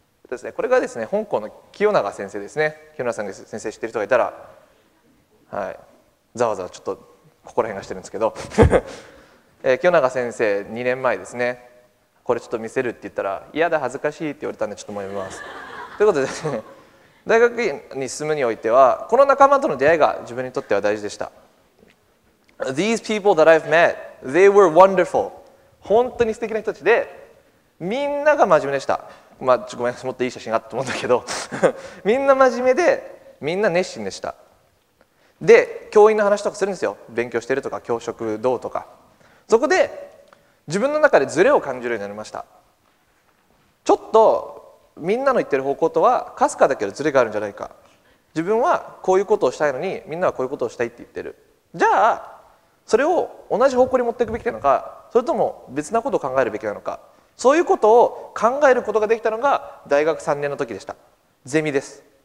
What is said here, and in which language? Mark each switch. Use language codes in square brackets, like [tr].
[ja] ですね、これがですね、本校の清永先生ですね。清永さんが先生知ってる人がいたら、はい、ざわざわちょっとここら辺がしてるんですけど、清永先生2年前ですね、これちょっと見せるって言ったら嫌だ恥ずかしいって言われたんでちょっともう読みますということで、大学院に進むにおいてはこの仲間との出会いが自分にとっては大事でした。 [en] These people that I've met, they were wonderful. [ja] 本当に素敵な人たちで、みんなが真面目でした。まあ、ごめんなさい、もっといい写真があったと思うんだけどみんな真面目でみんな熱心でした。で、教員の話とかするんですよ。勉強してるとか教職どうとか。そこで自分の中でズレを感じるようになりました。ちょっとみんなの言ってる方向とはかすかだけどズレがあるんじゃないか、自分はこういうことをしたいのにみんなはこういうことをしたいって言ってる、じゃあそれを同じ方向に持っていくべきなのか、それとも別なことを考えるべきなのか、そういうことを考えることができたのが大学3年の時でした。ゼミです。